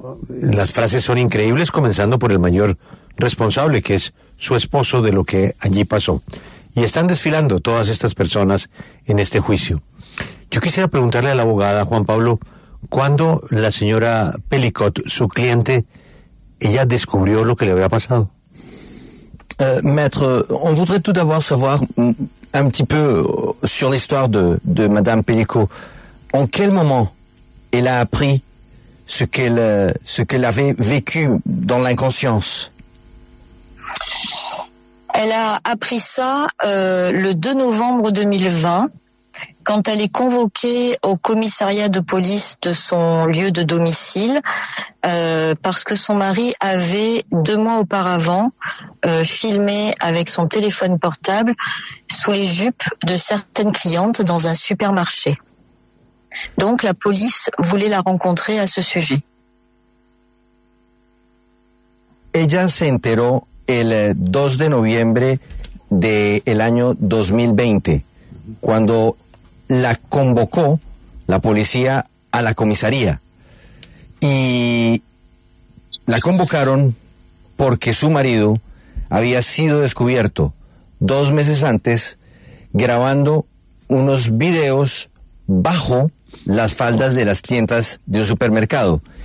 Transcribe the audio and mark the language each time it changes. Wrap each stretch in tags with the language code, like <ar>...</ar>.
<es>Las frases son increíbles, comenzando por el mayor responsable, que es su esposo de lo que allí pasó. Y están desfilando todas estas personas en este juicio. Yo quisiera preguntarle a la abogada, Juan Pablo, ¿cuándo la señora Pellicot, su cliente, ella descubrió lo que le había pasado?</es> <fr>Maître, on voudrait tout d'abord savoir un petit peu sur l'histoire de madame Pellicot. En quel moment elle a appris ce qu'elle avait vécu dans l'inconscience? Elle a appris ça le 2 novembre 2020, quand elle est convoquée au commissariat de police de son lieu de domicile, parce que son mari avait, 2 mois auparavant, filmé avec son téléphone portable sous les jupes de certaines clientes dans un supermarché. Donc la police voulait la rencontrer à ce sujet.</fr> <es>Ella se enteró el 2 de noviembre del año 2020, cuando la convocó la policía a la comisaría. Y la convocaron porque su marido había sido descubierto 2 meses antes grabando unos videos bajo las faldas de las clientas de un supermercado.</es>